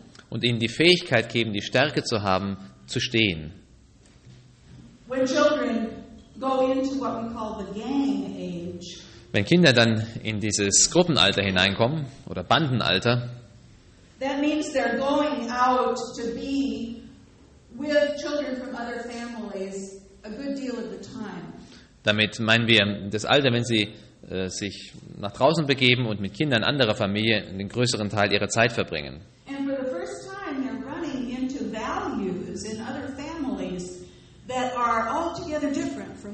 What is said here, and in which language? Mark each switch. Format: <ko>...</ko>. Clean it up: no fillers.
<de>Und ihnen die Fähigkeit geben, die Stärke zu haben, zu stehen. Wenn Kinder</de> <en>go into what we call the gang age.</en> <de>Wenn Kinder dann in dieses Gruppenalter hineinkommen oder Bandenalter,</de> <en>that means they're going out to be with children from other families a good deal of the time.</en> <de>Damit meinen wir das Alter, wenn sie sich nach draußen begeben und mit Kindern anderer Familie den größeren Teil ihrer Zeit verbringen.</de> <en>And for the first time they're running into values in other families that are altogether different.</en>